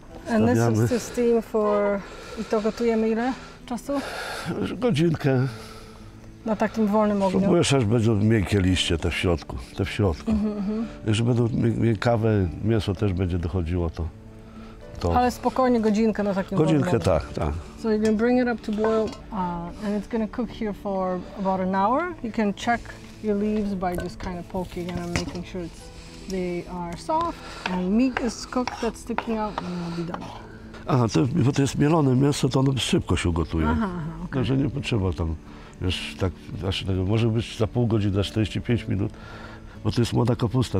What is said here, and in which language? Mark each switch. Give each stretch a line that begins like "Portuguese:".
English: And this is to steam for...
Polish: I to gotujemy ile czasu? Godzinkę. Na takim wolnym ogniu. Próbujesz, aż będą miękkie liście te w środku. Te w środku. Mm-hmm. Jeżeli będą miękkawe, mięso też będzie dochodziło, to... Ale spokojnie godzinkę na takim godzinkę, wolnym ogniu. Godzinkę, tak.
English: So you're gonna bring it up to boil and it's gonna cook here for about an hour. You can check your leaves by just kind of poking and I'm making sure it's... They are soft and meat is cooked that's sticking out and it'll be done.
Polish: Aha, to jest mielone mięso, to ono szybko się gotuje. Aha, okay. Także nie potrzeba tam, wiesz, tak, może być za pół godziny, za 45 minut, bo to jest młoda kapusta.